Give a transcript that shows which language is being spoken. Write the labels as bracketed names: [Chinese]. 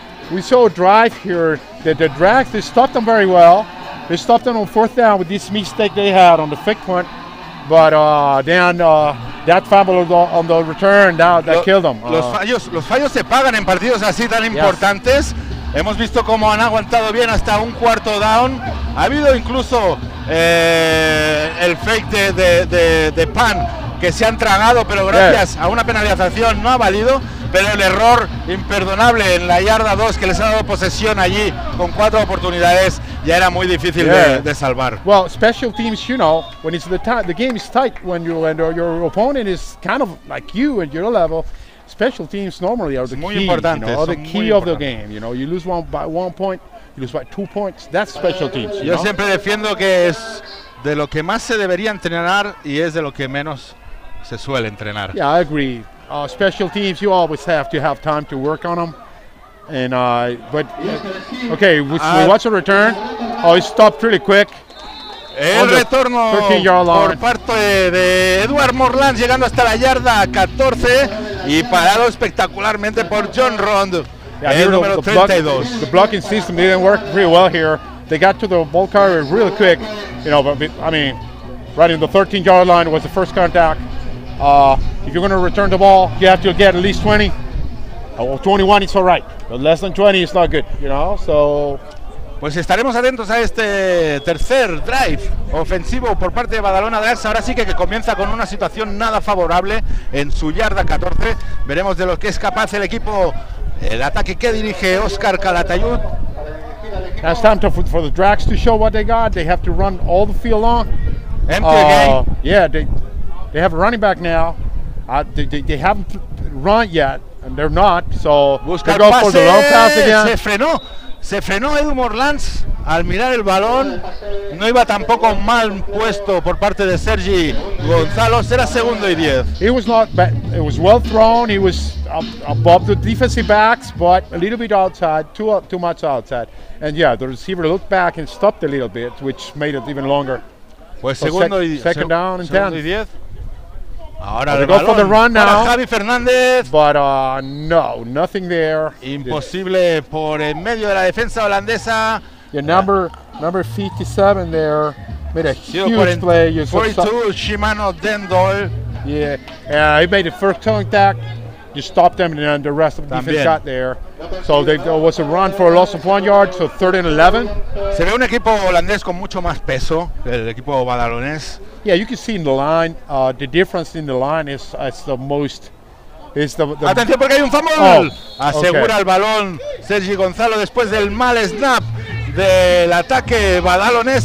[English] We saw a drive here that the Drags, they stopped them very well. They stopped them on fourth down with this mistake they had on the fake punt. But that fumble on the return that killed them. [Spanish] Los fallos se pagan en partidos así tan importantes. [English] Yes. [Spanish] Hemos visto cómo han aguantado bien hasta un cuarto down. Ha habido incluso el fake de Pan que se han tragado, pero gracias a una penalización no ha valido. Pero el error imperdonable en la yarda 2 que les ha dado posesión allí con 4 oportunidades ya era muy difícil de salvar. [English] Well, special teams, you know, when it's the game is tight, when your opponent is kind of like you at your level, special teams normally are the [Spanish] muy [English] key, [Spanish] importantes, [English] you know, are the key [Spanish] importantes [English] of the game. You know, you lose one by 1 point, you lose by 2 points. That's special teams. [Spanish] Yo siempre defiendo que es de lo que más se debería entrenar y es de lo que menos se suele entrenar. [English] Yeah, I agree. Special teams, you always have to have time to work on them. And we watch the return. Oh, it stopped really quick. [Spanish] El retorno por parte de Eduard Morland, llegando hasta la yarda 14 y parado espectacularmente por John Rond, el número 32. [English] The blocking system didn't work really well here. They got to the ball carrier real quick. You know, but I mean, right in the 13-yard line was the first contact. If you're going to return the ball, you have to get at least 20. Well, 21 is all right, but less than 20 is not good, you know? So, [Spanish] pues estaremos atentos a este tercer drive ofensivo por parte de Badalona Drags. Ahora sí que comienza con una situación nada favorable en su yarda 14. Veremos de lo que es capaz el equipo, el ataque que dirige Oscar Calatayud. [English] It's time for the Drags to show what they got. They have to run all the field long. Empty again. Yeah, they have a running back now. They haven't run yet, and they're not, so [Spanish] buscar [English] they go [Spanish] pase [English] for the long pass again. [Spanish] Se frenó Edu Morlands al mirar el balón. No iba tampoco mal puesto por parte de Sergi Gonzalo. Era 2nd and 10. [English] It was not bad. It was well thrown. He was above the defensive backs, but a little bit outside, too much outside. And yeah, the receiver looked back and stopped a little bit, which made it even longer. [Spanish] Pues [English] so second down and 10. [Spanish] Ahora [English] they go for the run now. Javi Fernández. But no, nothing there. [Spanish] Imposible por en medio de la defensa holandesa. [English] Your number 57 there made a huge play. 42, Shimano Dendol. Yeah, he made the first contact. You stopped them, and then the rest of the defense got there. So there was a run for a loss of 1 yard, so 3rd and 11. [Spanish] Se ve un equipo holandés con mucho más peso que el equipo badalonés. [English] Yeah, you can see in the line, the difference in the line is the most... [Spanish] Atención, porque hay un fumble. Asegura el balón Sergi Gonzalo después del mal snap del ataque badalonés.